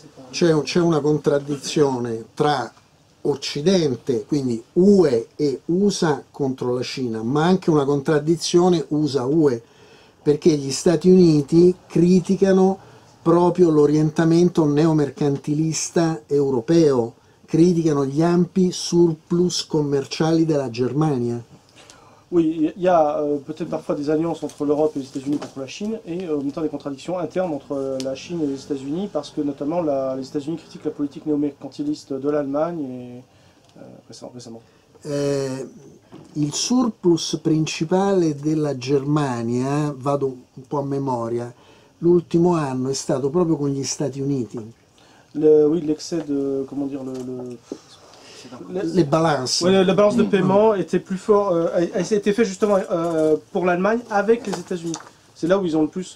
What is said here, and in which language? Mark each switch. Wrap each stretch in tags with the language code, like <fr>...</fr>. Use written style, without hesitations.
<it>C'è una contraddizione tra Occidente, quindi UE e USA contro la Cina, ma anche una contraddizione USA-UE, perché gli Stati Uniti criticano proprio l'orientamento neomercantilista europeo, criticano gli ampi surplus commerciali della Germania.</it> <fr>Oui, il y a peut-être parfois des alliances entre l'Europe et les États-Unis contre la Chine et en même temps des contradictions internes entre la Chine et les États-Unis parce que notamment les États-Unis critiquent la politique néo-mercantiliste de l'Allemagne et récemment.</fr> <it>il surplus principale della Germania, vado un po' a memoria, l'ultimo anno è stato proprio con gli Stati Uniti.</it> <fr>Oui, l'excès de, comment dire, le balance de paiement était plus fort, c'était fait justement pour l'Allemagne avec les États-Unis. C'est là où ils ont le plus.</fr>